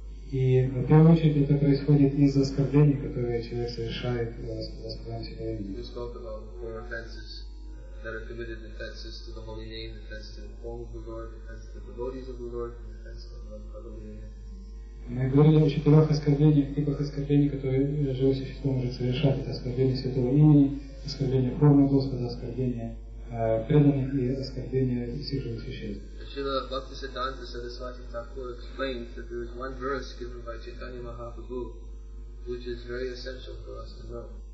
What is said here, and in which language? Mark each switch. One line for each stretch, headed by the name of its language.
Russian: И в первую очередь это происходит из-за оскорблений, которые человек совершает в оскорблении Святого Имени.
English: We spoke about four offenses that are committed: offenses to the Holy Name, offenses to the form of the Lord, offenses to the devotees of the Lord, and offenses to the Holy Name.
Russian: Мы говорили о четырех оскорблениях, типах оскорблений, которые живое существо может совершать. Это оскорбление Святого Имени, оскорбление формы Господа, оскорбление преданных и оскорбление всех живых существ.
English: Шрила Бхактисиддханта Сарасвати Тхакур explained that there is one verse given by Chaitanya Mahaprabhu, which is very essential for us to know.